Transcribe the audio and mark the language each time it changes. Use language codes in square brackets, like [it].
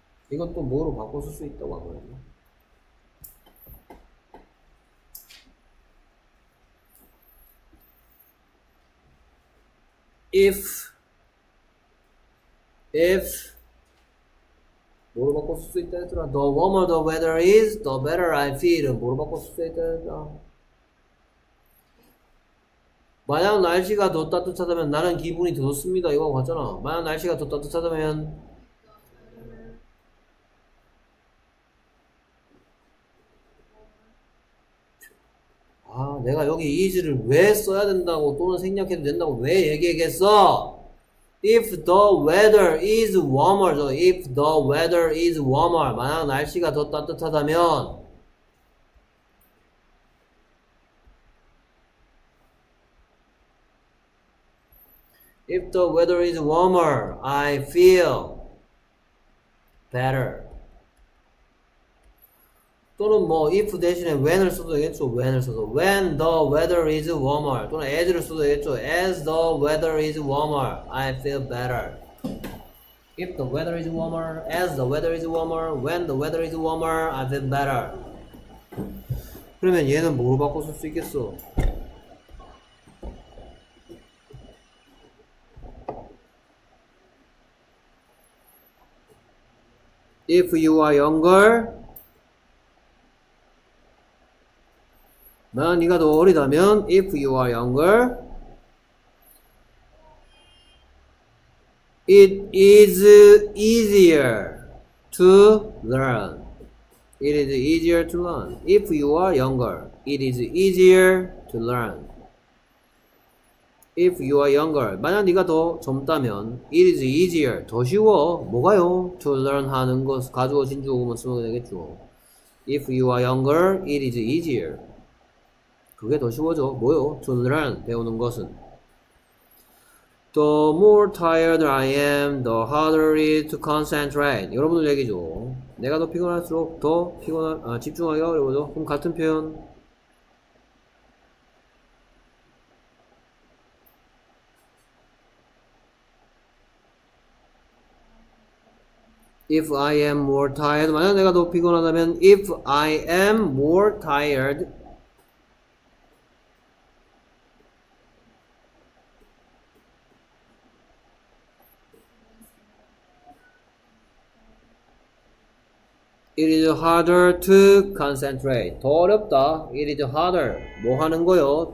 [ko] 이것도 뭐로 바꿔 쓸 수 있다고 안 그랬네. If 뭐로 바꿔 쓸 수 있다 했더라. [en] The warmer the weather is, the better I feel. [ko] 뭐로 바꿔 쓸 수 있다 했더라. 만약 날씨가 더 따뜻하다면 나는 기분이 더 좋습니다. 이거 같잖아. 만약 날씨가 더 따뜻하다면 내가 여기 is를 왜 써야 된다고 또는 생략해도 된다고 왜 얘기했어? [en] If the weather is warmer, so if the weather is warmer, [ko] 만약 날씨가 더 따뜻하다면 [en] If the weather is warmer, I feel better. [ko] 또는 뭐 if 대신에 when을 써도 되겠죠. when을 써도 [en] when the weather is warmer [ko] 또는 as를 써도 되겠죠. [en] as the weather is warmer I feel better. if the weather is warmer as the weather is warmer when the weather is warmer I feel better. [ko] 그러면 얘는 뭐로 바꿔 쓸 수 있겠어? [en] if you are younger [ko] 만약 네가 더 어리다면 [en] if you are younger it is easier to learn. it is easier to learn. if you are younger it is easier to learn. if you are younger [ko] 만약 네가 더 젊다면 [en] it is easier [ko] 더 쉬워 뭐가요? [en] to learn [ko] 하는 것 가지고 진주어만 쓰면 되겠죠. [en] if you are younger it is easier [ko] 그게 더 쉬워져. 뭐요? [en] To learn, [ko] 배우는 것은. [en] The more tired I am, the harder it is to concentrate. [ko] 여러분들 얘기죠. 내가 더 피곤할수록 더 피곤한, 집중하기가 어려워져. 그럼 같은 표현. [en] If I am more tired, [ko] 만약 내가 더 피곤하다면, [en] if I am more tired, It is harder to concentrate. [ko] 더 어렵다. [en] It is harder. [ko] 뭐 하는 거요?